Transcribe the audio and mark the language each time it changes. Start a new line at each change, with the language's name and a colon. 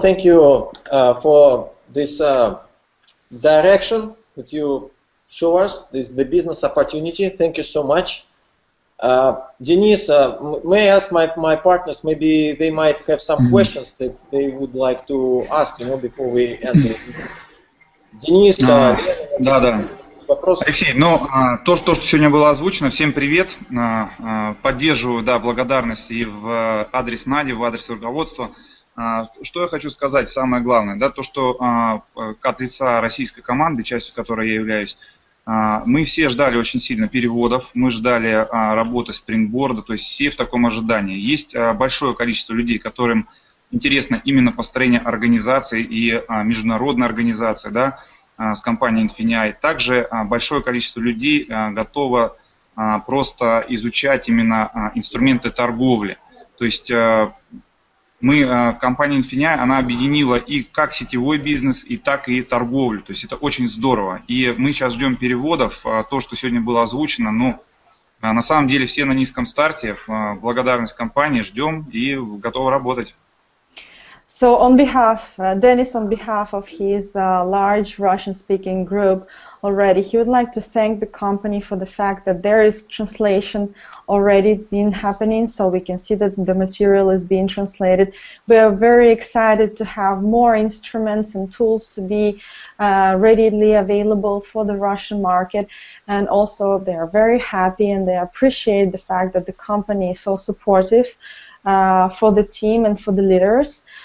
English: Thank you for this direction that you show us, this the business opportunity. Thank you so much. Denise, may I ask my partners, maybe they might have some questions that they would like to ask, you know, before we end. Denise,
Russian: да. Вопрос. Алексей, то, что сегодня было озвучено, всем привет. Поддерживаю, да, благодарность и в адрес Нади, в адрес руководства. Что я хочу сказать, самое главное, да, то, что от лица российской команды, частью которой я являюсь, мы все ждали очень сильно переводов, мы ждали работы спрингборда, то есть все в таком ожидании. Есть большое количество людей, которым интересно именно построение организации и международной организации, да, с компанией Infinii. Также большое количество людей готово просто изучать именно инструменты торговли. То есть мы, компания Infinii, она объединила и как сетевой бизнес, и так и торговлю. То есть это очень здорово. И мы сейчас ждем переводов, то, что сегодня было озвучено, но на самом деле все на низком старте. Благодарность компании, ждем и готовы работать.
English: So on behalf, Dennis, on behalf of his large Russian-speaking group already, he would like to thank the company for the fact that there is translation already been happening, so we can see that the material is being translated. We are very excited to have more instruments and tools to be readily available for the Russian market, and also they are very happy and they appreciate the fact that the company is so supportive for the team and for the leaders.